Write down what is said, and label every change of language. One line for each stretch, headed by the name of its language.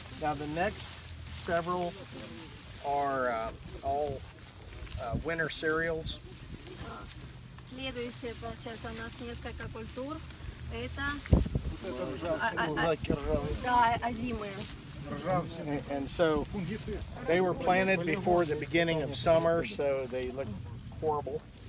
English: Now the next several are all winter cereals.
Russian: Следующие, получается, у нас несколько культур.
English: And so they were planted before the beginning of summer, so they look horrible.